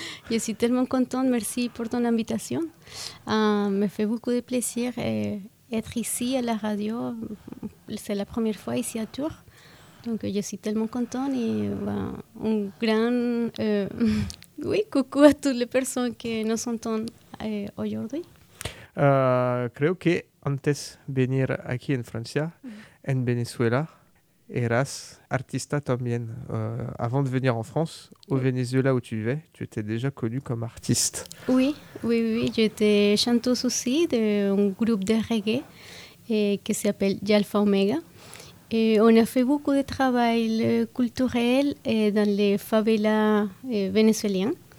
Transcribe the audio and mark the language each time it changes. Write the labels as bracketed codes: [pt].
[fr] Je suis tellement contente, merci pour ton invitation. Me fait beaucoup de plaisir d'être ici à la radio. C'est la première fois ici à Tours. Donc je suis tellement contente et un grand coucou à toutes les personnes qui nous entendent aujourd'hui. [es] Creo que antes venir aquí en Francia, en Venezuela, eras artista también. [fr] Avant de venir en France, au Venezuela où tu vivais, tu étais déjà connue comme artiste. Oui, j'étais chanteuse aussi d'un groupe de reggae qui s'appelle Alpha Omega. Et on a fait beaucoup de travail culturel dans les favelas vénézuéliens.